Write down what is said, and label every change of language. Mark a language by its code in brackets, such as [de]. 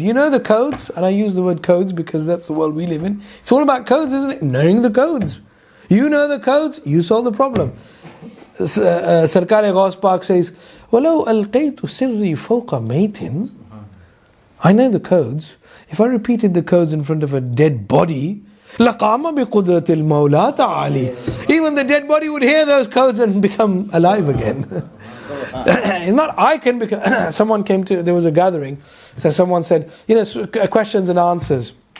[en] You know the codes, and I use the word codes because that's the world we live in. It's all about codes, isn't it? Knowing the codes. You know the codes, you solve the problem. Sarkare Ghaus Park says, [ar] وَلَوْ أَلْقَيْتُ سِرِّي فَوْقَ مَيْتٍ. [en] I know the codes. If I repeated the codes in front of a dead body, [ar] لَقَامَ بِقُدْرَةِ الْمَوْلَىٰ تَعَالِي. [en] Even the dead body would hear those codes and become alive again. Not I can become. Someone came to, there was a gathering, so someone said, you know, questions and answers.